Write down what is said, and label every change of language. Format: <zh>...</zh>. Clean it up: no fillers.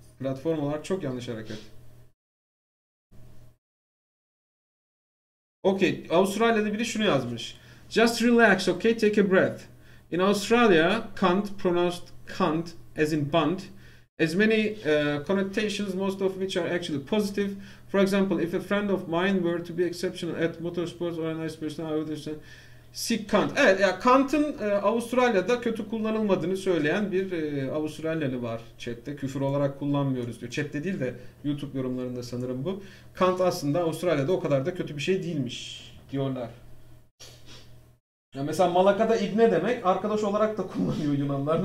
<tr>Platform olarak çok yanlış hareket. Okay, Avustralya'da biri şunu yazmış.</tr> <en>Just relax, okay? Take a breath. In Australia, cunt, pronounced cunt as in bunt, as many connotations, most of which are actually positive. For example, if a friend of mine were to be exceptional at motorsports or a nice person, I would say sick cunt.</en> <tr>Evet, ya cunt'ın Avustralya'da kötü kullanılmadığını söyleyen bir Avustralyalı var chatte. Küfür olarak kullanmıyoruz diyor. Chatte değil de YouTube yorumlarında sanırım bu. Cunt aslında Avustralya'da o kadar da kötü bir şey değilmiş diyorlar. Ya mesela Malaka'da igne demek arkadaş olarak da kullanıyor Yunanlar.</tr>